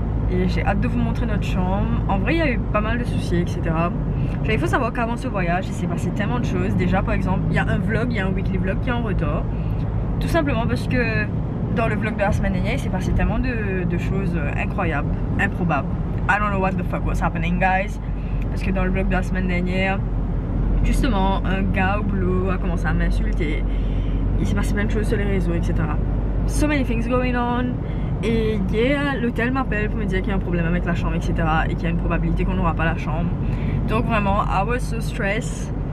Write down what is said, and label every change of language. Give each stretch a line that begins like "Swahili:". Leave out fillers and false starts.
French: Et j'ai hâte de vous montrer notre chambre. En vrai, il y a eu pas mal de soucis, etc. Il faut savoir qu'avant ce voyage, il s'est passé tellement de choses. Déjà, par exemple, il y a un vlog, il y a un weekly vlog qui est en retard. Tout simplement parce que dans le vlog de la semaine dernière, il s'est passé tellement de choses incroyables, improbables.
English: I don't know what the fuck was happening, guys.
French: Parce que dans le vlog de la semaine dernière, justement, un gars au boulot a commencé à m'insulter. Il s'est passé plein de choses sur les réseaux, etc.
English: So many things going on.
French: Et hier, l'hôtel m'appelle pour me dire qu'il y a un problème avec la chambre, etc. Et qu'il y a une probabilité qu'on n'aura pas la chambre. Donc vraiment,
English: I was so stressed.